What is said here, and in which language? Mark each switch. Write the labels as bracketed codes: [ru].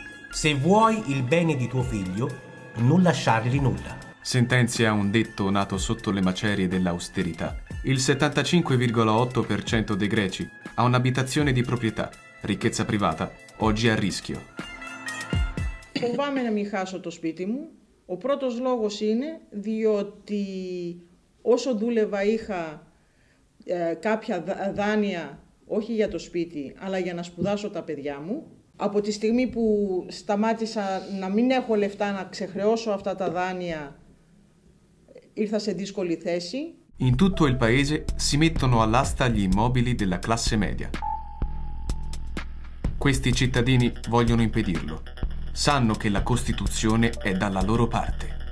[it] Se vuoi il bene di tuo figlio, non lasciargli nulla. Sentenzia un detto nato sotto le macerie dell'austerità. Il 75,8% dei greci ha un'abitazione di proprietà, ricchezza privata, oggi a rischio. [el] Φοβάμαι να μην χάσω το σπίτι μου. Ο πρώτος λόγος είναι διότι όσο δούλευα είχα κάποια δάνεια, όχι για το σπίτι, αλλά για να σπουδάσω τα παιδιά μου. Από τη στιγμή που σταμάτησα να μην έχω λεφτά να ξεχρεώσω αυτά τα δάνεια, ήρθα σε δύσκολη θέση. [it] In tutto il paese si mettono all'asta gli immobili della classe media. Questi cittadini vogliono impedirlo. Sanno che la Costituzione è dalla loro parte.